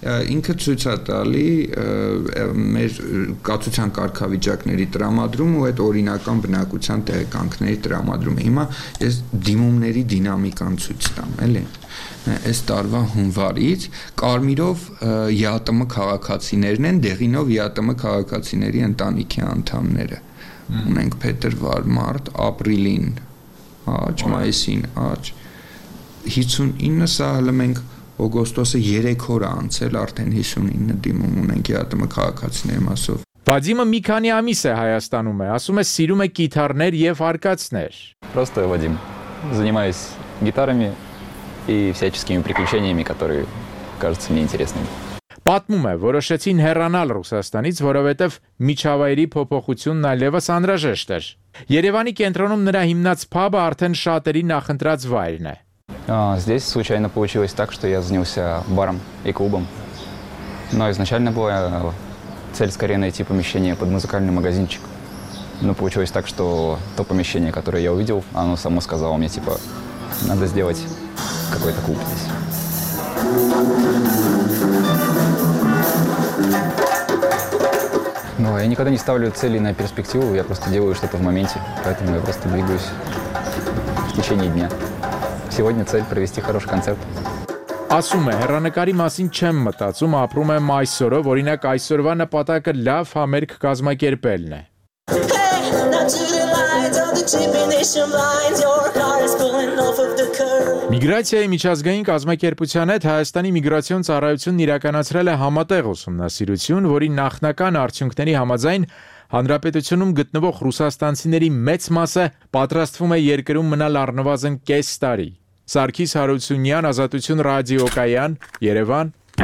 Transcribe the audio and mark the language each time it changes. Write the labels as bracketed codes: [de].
[hy] Ինքը ցույց է տալի մեր կացության կարգավիճակների տրամադրում ու այդ օրինական բնակության տեղեկանքների տրամադրումը։ Հիմա ես դիմումների դինամիկան ցույց տամ, էլի։ Այս տարվա հունվարից կարմիրով ՅԱՏՄ քաղաքացիներն են, դեղինով ՅԱՏՄ քաղաքացիների ընտանիքի անդամները։ Ունենք փետրվար, մարտ, ապրիլին, աճ, մայիսին, աճ, 59 սահելը մենք օգոստոսը 3 օր անցել, արդեն 59 դիմում ունենք ՅԱՏՄ քաղաքացիների մասով։ Վադիմը մի քանի ամիս է Հայաստանում է, ասում է սիրում է գիտարներ և արկածներ։ [ru] Просто Вадим занимаюсь гитарами и всяческими приключениями, которые кажутся мне интересными։ [hy] Պատմում է, որոշեցին հեռանալ Ռուսաստանից, որովհետև միջավայրի փոփոխությունն այլևս անհրաժեշտ էր։ Երևանի կենտրոնում նրա հիմնած փաբը արդեն շատերի նախընտրած վայրն է։ [ru] Здесь случайно получилось так, что я занялся баром и клубом. Но изначально была цель скорее найти помещение под музыкальный магазинчик. Но получилось так, что то помещение, которое я увидел, оно само сказало мне, типа, надо сделать какой-то клуб здесь. Ну и я никогда не ставлю цели на перспективу, я просто делаю что-то в моменте. Поэтому я просто двигаюсь в течение дня. Сегодня цель – провести хороший концерт. [hy] Ասում է, հեռանկարի մասին չեմ մտածում, ապրում եմ այս օրը, որինակ այս օրվա նպատակը լավ համերգ կազմակերպելն է։ Միգրացիայի միջազգային կազմակերպության հետ Հայաստանի միգրացիոն ծառայությունն իրականացրել է համատեղ ուսումնասիրություն, որի նախնական արդյունքների համաձայն Հանրապետությունում գտնվող ռուսաստանցիների մեծ մասը պատրաստվում է երկրում մնալ առնվազն կես տարի։ Սարգիս Հարությունյան, Ազատություն ռադիոկայան, Երևան։